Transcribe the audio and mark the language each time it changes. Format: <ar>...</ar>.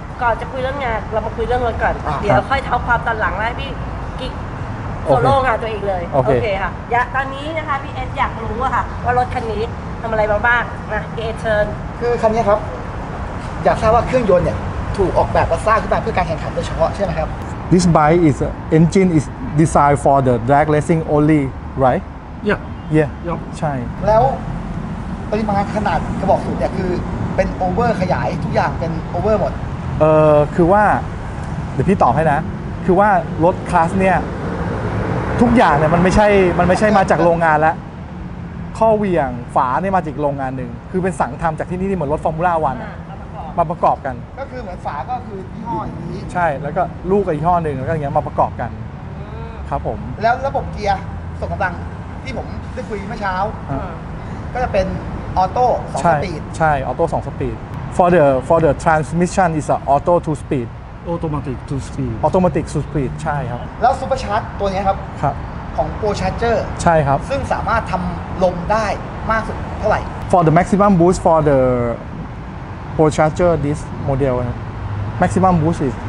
<th>ก่อนจะคุยเรื่องงานเรามาคุยเรื่องรถก่อนเดี๋ยวค่อยเท้าความตอนหลังไล่พี่กิ๊กโซโล่งานตัวเองเลย โอเค ค่ะตอนนี้นะคะพี่เอสอยากรู้ค่ะว่ารถคันนี้ทำอะไรบ้างนะพี่เอสเชิญ คือคันนี้ครับอยากทราบว่าเครื่องยนต์เนี่ยถูกออกแบบและสร้างขึ้นมาเพื่อการแข่งขันโดยเฉพาะใช่ไหมครับ</th> <en>This bike is engine isdesign for the drag racing only right yeah yeah yep.</en> <th>ใช่ แล้วปริมาณขนาดกระบอกสูงเนี่ยคือเป็นโอเวอร์ขยายทุกอย่างเป็นโอเวอร์หมด คือว่าเดี๋ยวพี่ตอบให้นะคือว่ารถคลาสเนี่ยทุกอย่างเนี่ยมันไม่ใช่มาจากโรงงานละข้อเหวี่ยงฝาเนี่ยมาจากโรงงานนึงคือเป็นสั่งทำจากที่นี่เหมือนรถฟอร์มูล่า1มาประกอบกัน ก็คือเหมือนฝาก็คือยี่ห้ออย่างนี้ ใช่แล้วก็ลูกอีกยี่ห้อนึงแล้วก็อย่างเงี้ยมาประกอบกันครับผม แล้วระบบเกียร์ส่งกำลังที่ผมได้คุยเมื่อเช้าก็จะเป็นออโต้2สปีด ใช่ใช่ออโต้2สปีด</th> <en>for the transmission is a auto 2 speed automatic 2 speed automatic 2 speed</en> <th>ใช่ครับ แล้วซุปเปอร์ชาร์จตัวนี้ครับ ครับ ของ Pro Charger ใช่ครับ ซึ่งสามารถทำลมได้มากสุดเท่าไหร่</th> <en>for the maximum boost for the Pro Charger this model maximum boost is</en>